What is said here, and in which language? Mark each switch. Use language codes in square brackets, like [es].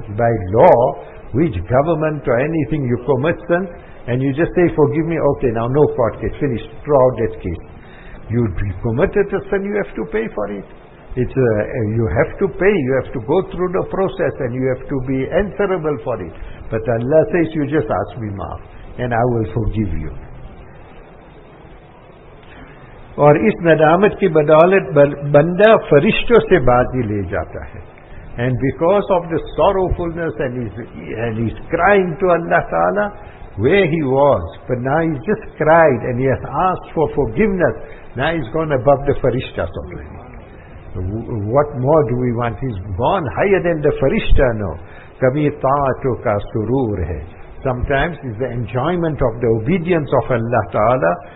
[en] By law, which government or anything you commit sin, and you just say, forgive me, okay, now no fraud case, finish, throw that case. You committed a sin, you have to pay for it. You have to pay, you have to go through the process, and you have to be answerable for it. But Allah says, you just ask me maaf, and I will forgive you. [ur] اور اس ندامت کی بدولت بندہ فرشتوں سے بازی لے جاتا ہے. [en] And because of the sorrowfulness and he's crying to Allah Ta'ala where he was, but now he's just cried and he has asked for forgiveness, now he's gone above the farishtas already. What more do we want? He's gone higher than the farishta. No, kabhi taatu ka surur hai, sometimes it's the enjoyment of the obedience of Allah Ta'ala.